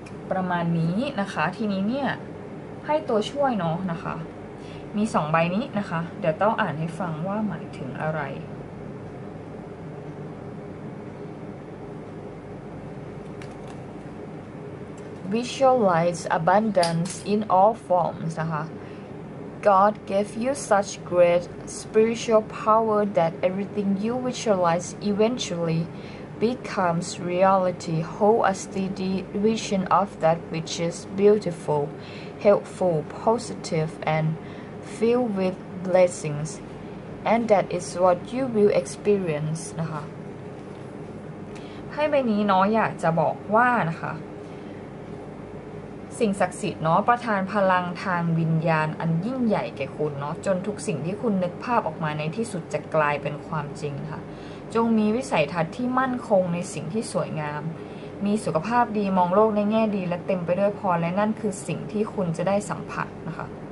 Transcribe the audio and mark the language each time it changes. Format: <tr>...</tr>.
<th>ประมาณนี้นะคะทีนี้เนี่ยให้ตัวช่วยเนาะนะคะมี2ใบนี้นะคะเดี๋ยวต้องอ่านให้ฟังว่าหมายถึงอะไร</th> <en>Visualize abundance in all forms</en> <th>นะคะ</th> <en>God gave you such great spiritual power that everything you visualize eventually becomes reality. Hold a steady vision of that which is beautiful, helpful, positive, and filled with blessings. And that is what you will experience</en> <th>นะคะให้ใบนี้เนาะอยากจะบอกว่านะคะสิ่งศักดิ์สิทธิ์เนาะประทานพลังทางวิญญาณอันยิ่งใหญ่แก่คุณเนาะจนทุกสิ่งที่คุณนึกภาพออกมาในที่สุดจะกลายเป็นความจริงค่ะจงมีวิสัยทัศน์ที่มั่นคงในสิ่งที่สวยงามมีสุขภาพดีมองโลกในแง่ดีและเต็มไปด้วยพรและนั่นคือสิ่งที่คุณจะได้สัมผัสนะคะ</th>